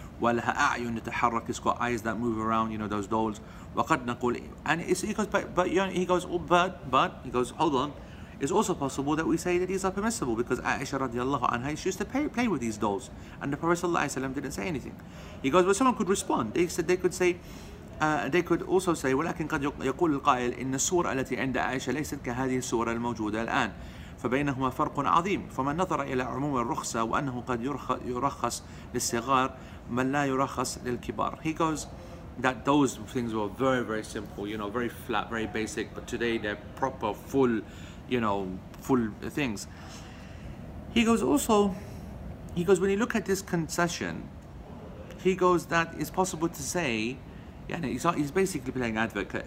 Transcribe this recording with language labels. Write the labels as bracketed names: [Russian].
[Arabic] Walha a'yun tataharrak, [English] it's got eyes that move around, you know, those dolls. [Arabic] Waqad naqul, [English] and it's, he goes, but you know, he goes, oh, but he goes, hold on, it's also possible that we say that these are permissible because Aisha radiallahu anha, she used to play with these dolls, and the Prophet sallallahu alayhi wa sallam didn't say anything. He goes, but someone could respond, they said, they could say, [Arabic] they could also say, ولكن قد يقول القائل إن السورة التي عند عائشة ليست كهذه السورة الموجودة الآن فبينهما فرق عظيم فمن نظر إلى عموم الرخصة وأنه قد يرخص للصغار من لا يرخص للكبار. [English] He goes that those things were very very simple, you know, very flat, very basic, but today they're proper full, you know, full things. He goes also, he goes, when you look at this concession, he goes that it's possible to say, yeah, he's basically playing advocate.